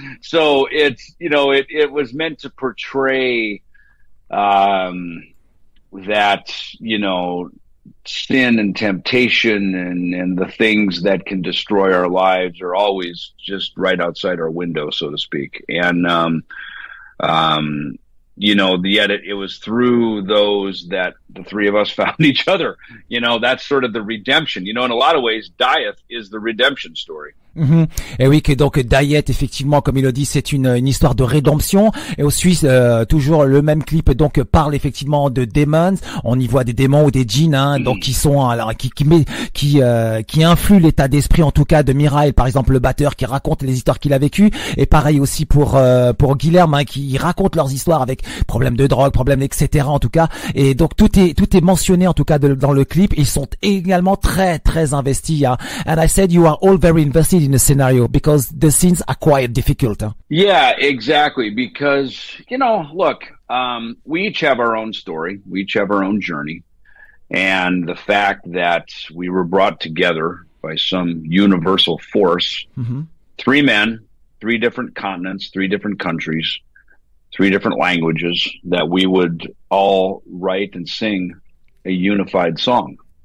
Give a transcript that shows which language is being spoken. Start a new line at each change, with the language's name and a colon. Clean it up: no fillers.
English: So it's, you know, it was meant to portray that, you know, sin and temptation and the things that can destroy our lives are always just right outside our window, so to speak. And you know, yet it was through those that the three of us found each other. You know, that's sort of the redemption. You know, in a lot of ways, Dieth is the redemption story. Mm-hmm.
French: Et oui, que donc Dieth, effectivement, comme il le dit, c'est une histoire de rédemption. Et au Suisse, toujours le même clip, donc parle effectivement de demons. On y voit des démons ou des djinns, hein, donc qui influent l'état d'esprit, en tout cas, de Michał, par exemple, le batteur, qui raconte les histoires qu'il a vécues. Et pareil aussi pour Guilherme, hein, qui raconte leurs histoires avec problèmes de drogue, problèmes, etc. En tout cas, et donc tout est mentionné, en tout cas, dans le clip. Ils sont également très très investis. Hein.
English: And I said you are all very invested in the scenario because the scenes are quite difficult. Huh? Yeah, exactly. Because, you know, look, we each have our own story. We each have our own journey. And the fact that we were brought together by some universal force, three men, three different continents, three different countries, three different languages, that we would all write and sing a unified song.